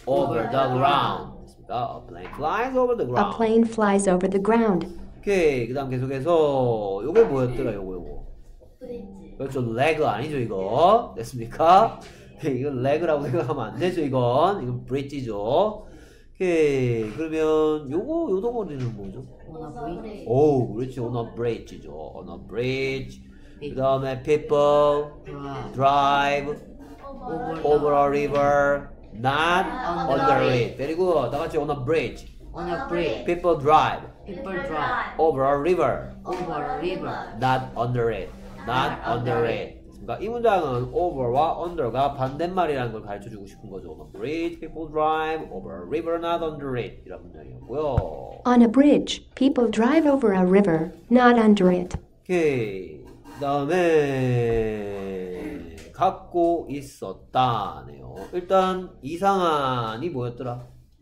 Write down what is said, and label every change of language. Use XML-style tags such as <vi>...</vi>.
<en>Over the ground A plane flies over the ground A plane flies over the ground</en> <ko>오케이 그 다음 계속해서 요게 뭐였더라 요거 요거 그렇죠 leg 아니죠 이거 됐습니까? 이건 leg라고 생각하면 안 되죠 이건 이건 bridge죠 오케이 그러면 요거 요 덩어리는 뭐죠?</ko> <en>On a bridge.</en> <ko>오, 그렇지.</ko> <en>On a bridge죠. On a bridge.</en> <ko>그 다음에</ko> <en>people drive over a river, not under it. Very good.</en> <ko>다 같이</ko> <en>on a bridge. On a bridge. People drive. People drive over a river. Over a river. Not under it. Not under it.</en> <ko>그러니까 이 문장은 over와 under가 반대말이라는 걸 가르쳐 주고 싶은 거죠.</ko> <en>On a bridge, people drive over a river, not under it.</en> <ko>이런 문장이었고요.</ko> <en>On a bridge, people drive over a river, not under it. Okay.</en> <ko>다음에 갖고 있었다네요. 일단 이상한이 뭐였더라?</ko>